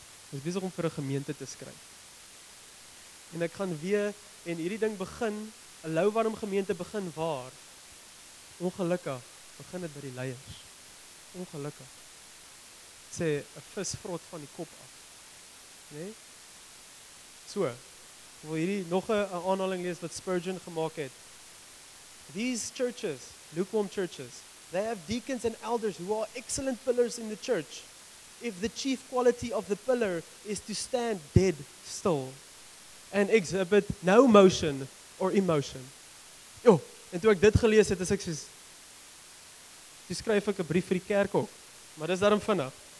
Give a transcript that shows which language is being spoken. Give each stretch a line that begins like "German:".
Afrikaans: Hy is besig om vir 'n gemeente te skryf. En ek gaan weer, en hierdie ding begin, 'n louwarm gemeente begin waar? Ongelukkig, begin het by die leiers. Ongelukkig. Sê, 'n vis vrot van die kop af. Nee? So, ek wil hierdie nog 'n aanhaling lees wat Spurgeon gemaak het.
English: These churches, lukewarm churches, they have deacons and elders who are excellent pillars in the church. If the chief quality of the pillar is to stand dead still and exhibit no motion or emotion.
Afrikaans: Jo, en toe ek dit gelees het, is ek soos, toe skryf ek 'n brief vir die kerk ook, maar dis daarom vinnig.